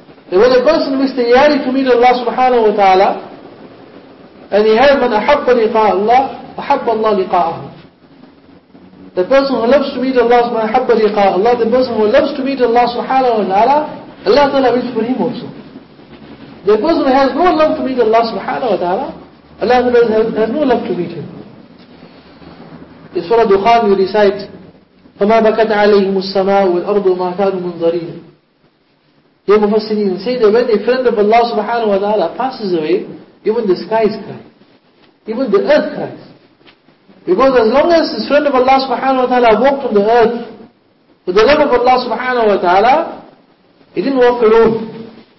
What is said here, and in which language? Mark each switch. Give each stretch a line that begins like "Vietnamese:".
English: That when a person makes tiyari to meet Allah subhanahu wa ta'ala, and he has
Arabic: man ahabba liqa'a Allah, ahabba Allah liqa'ahu.
English: The person who loves to meet Allah subhanahu wa ta'ala, the person who loves to meet Allah subhanahu wa ta'ala, Allah ta'ala wills for him also. The person who has no love to meet Allah subhanahu wa ta'ala, Allah ta'ala has no love to meet him. In Surah Dukhan we recite,
Arabic: فَمَا بَكَتْ عَلَيْهِمُ السَّمَاءُ وَالْأَرْضُ مَا كَانُوا مُنْظَرِينَ.
English: The Mufassirin say that when a friend of Allah subhanahu wa ta'ala passes away, even the skies cry. Even the earth cries. Because as long as this friend of Allah subhanahu wa ta'ala walked on the earth with the love of Allah subhanahu wa ta'ala, he didn't walk alone.